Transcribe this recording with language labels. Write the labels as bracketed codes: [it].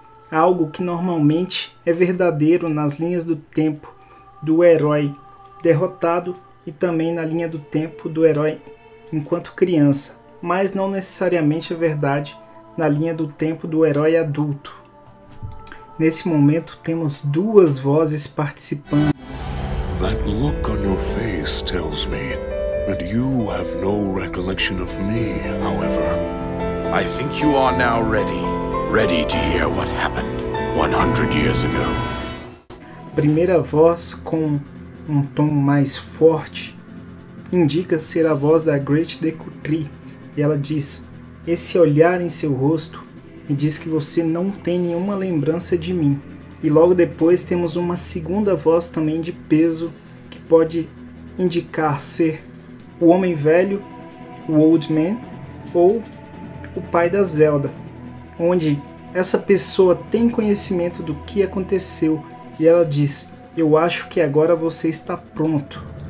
[pt] Algo que normalmente é verdadeiro nas linhas do tempo do herói derrotado e também na linha do tempo do herói enquanto criança, mas não necessariamente é verdade na linha do tempo do herói adulto. Nesse momento temos duas vozes participando. [en] That look on your face tells me that you have no recollection of me, however. I think you are now ready. Ready to hear what happened 100 years ago. [pt] Primeira voz com um tom mais forte indica ser a voz da Great Deku Tree. E ela diz: esse olhar em seu rosto me diz que você não tem nenhuma lembrança de mim. E logo depois temos uma segunda voz também de peso que pode indicar ser o homem velho, o Old Man, ou o pai da Zelda, onde essa pessoa tem conhecimento do que aconteceu e ela diz: eu acho que agora você está pronto.